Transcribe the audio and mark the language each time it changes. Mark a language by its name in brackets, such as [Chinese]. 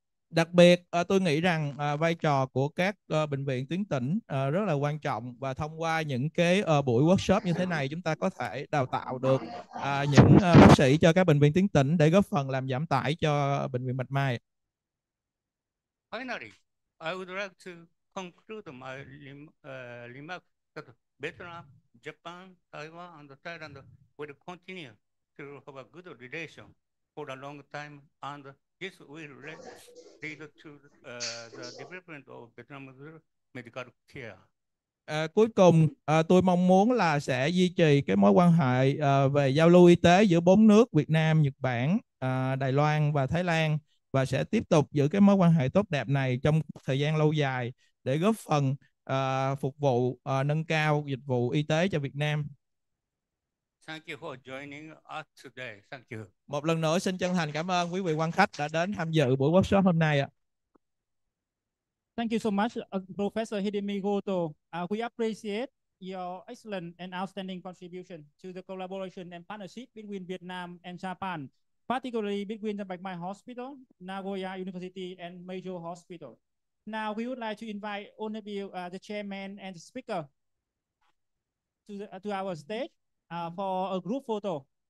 [Vietnamese] Đặc biệt, tôi nghĩ rằng vai trò của các bệnh viện tuyến tỉnh rất là quan trọng, và thông qua những cái buổi workshop như thế này chúng ta có thể đào tạo được những bác sĩ cho các bệnh viện tuyến tỉnh để góp phần làm giảm tải cho Bệnh viện Bạch Mai. [English] Finally, I would like to conclude my remarks that Vietnam, Japan, Taiwan and Thailand will continue to have a good relation for a long time, and this will lead to the development of Vietnam's medical care. [Vietnamese] Cuối cùng, tôi mong muốn là sẽ duy trì cái mối quan hệ về giao lưu y tế giữa bốn nước Việt Nam, Nhật Bản, Đài Loan và Thái Lan, và sẽ tiếp tục giữ cái mối quan hệ tốt đẹp này trong thời gian lâu dài để góp phần phục vụ nâng cao dịch vụ y tế cho Việt Nam. [English] Thank you for joining us today. Thank you. [Vietnamese] Một lần nữa xin chân thành cảm ơn quý vị quan khách đã đến tham dự buổi workshop hôm nay ạ. [English] Thank you so much, Professor Hidemi Goto. We appreciate your excellent and outstanding contribution to the collaboration and partnership between Vietnam and Japan, particularly between the Bạch Mai Hospital, Nagoya University, and Meiji Hospital. Now, we would like to invite Honorable the chairman and the speaker to our stage for a group photo.